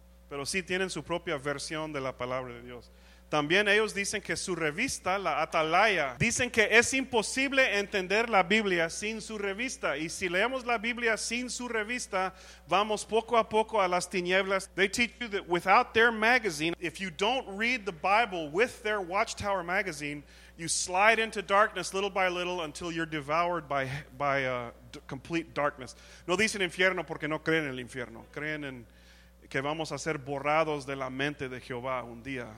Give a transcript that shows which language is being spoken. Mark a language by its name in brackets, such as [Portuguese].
[Spanish] Pero sí tienen su propia versión de la palabra de Dios. También ellos dicen que su revista, la Atalaya, dicen que es imposible entender la Biblia sin su revista. Y si leemos la Biblia sin su revista, vamos poco a poco a las tinieblas. [English] They teach you that without their magazine, if you don't read the Bible with their Watchtower magazine, you slide into darkness little by little until you're devoured by complete darkness. [Spanish] No dicen infierno porque no creen en el infierno. Creen en que vamos a ser borrados de la mente de Jehová un día.